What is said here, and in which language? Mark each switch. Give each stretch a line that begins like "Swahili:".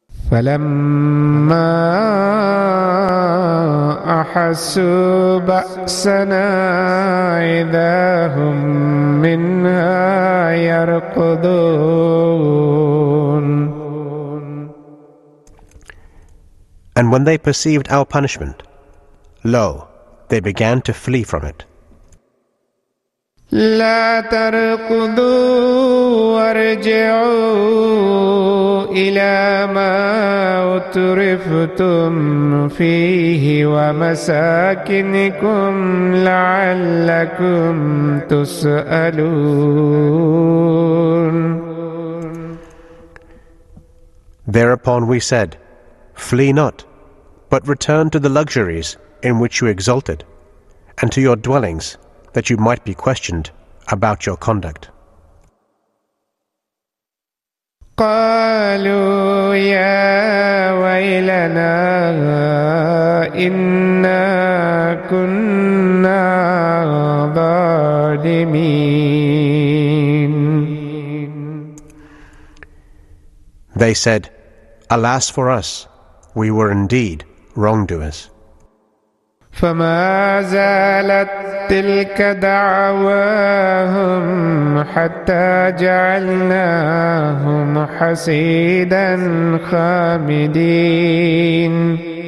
Arabic: فَلَمَّا أَحَسُّوا بَأْسَنَا إِذَا هُمْ مِنْهَا يَرْقُدُونَ
English: And when they perceived our punishment, lo, they began to flee from it.
Arabic: لا تركضوا وارجعوا إلى ما أترفتم فيه ومساكنكم لعلكم تسألون
English: Thereupon we said, Flee not, but return to the luxuries in which you exulted, and to your dwellings, that you might be questioned about your conduct.
Arabic: قَالُوا يَا وَيْلَنَا إِنَّا كُنَّا ظَالِمِينَ
English: They said, Alas for us, we were indeed wrongdoers.
Arabic: فما زالت تلك دعواهم حتى جعلناهم حسيدا خامدين.